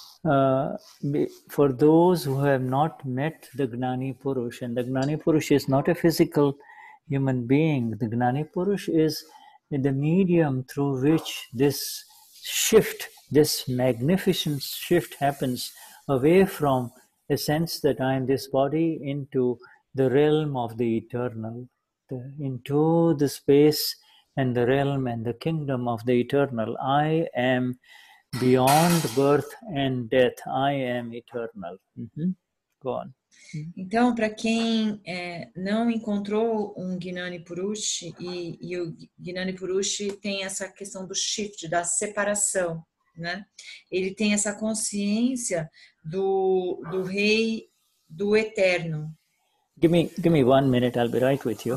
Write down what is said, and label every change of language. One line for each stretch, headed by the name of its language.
English: For those who have not met the Gnani Purush, and the Gnani Purush is not a physical human being, the Gnani Purush is the medium through which this shift, this magnificent shift happens away from a sense that I am this body into the realm of the eternal, into the space and the realm and the kingdom of the eternal. I am beyond birth and death, I am eternal. Uh-huh. Go on.
Portuguese: Então, para quem não encontrou um Gnani Purush, e o Gnani Purush tem essa questão do shift, da separação, né? Ele tem essa consciência do rei do eterno.
English: Give me 1 minute, I'll be right with you.